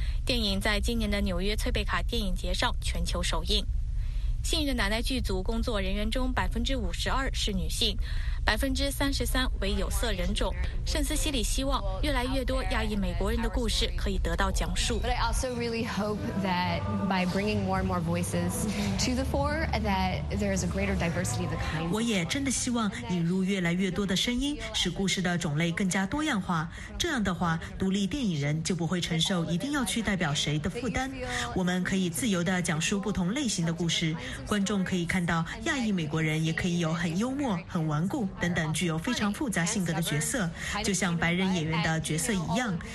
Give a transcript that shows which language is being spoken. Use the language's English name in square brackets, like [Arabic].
[Chinese] 电影在今年的纽约翠贝卡电影节上全球首映。幸运的奶奶剧组工作人员中52%是女性，33%为有色人种。圣斯西里希望越来越多亚裔美国人的故事可以得到讲述。 [English] But I also really hope that by bringing more and more voices to the fore, that there is a greater diversity of the kind. [Chinese] 我也真的希望引入越来越多的声音，使故事的种类更加多样化。这样的话，独立电影人就不会承受一定要去代表谁的负担。我们可以自由地讲述不同类型的故事，观众可以看到亚裔美国人也可以有很幽默、很顽固等等具有非常复杂性格的角色，就像白人演员的角色一样。